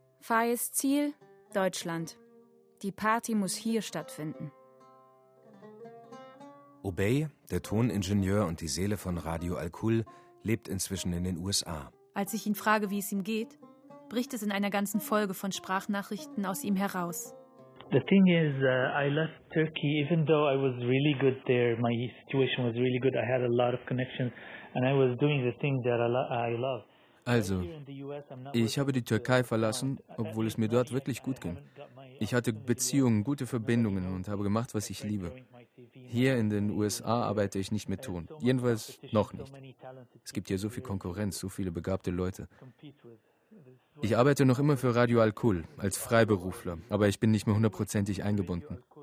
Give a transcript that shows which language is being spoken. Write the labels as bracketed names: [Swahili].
[German] Feyyes Ziel? Deutschland. Die Party muss hier stattfinden. Obey, der Toningenieur und die Seele von Radio Al-Kul, lebt inzwischen in den USA. Als ich ihn frage, wie es ihm geht, bricht es in einer ganzen Folge von Sprachnachrichten aus ihm heraus. [English] The thing is, I left Turkey, even though I was really good there, my situation was really good, I had a lot of connections, and I was doing the thing that I love. [German] Also, ich habe die Türkei verlassen, obwohl es mir dort wirklich gut ging. Ich hatte Beziehungen, gute Verbindungen und habe gemacht, was ich liebe. Hier in den USA arbeite ich nicht mit Ton, jedenfalls noch nicht. Es gibt hier so viel Konkurrenz, so viele begabte Leute. Ich arbeite noch immer für Radio Al-Kul als Freiberufler, aber ich bin nicht mehr hundertprozentig eingebunden.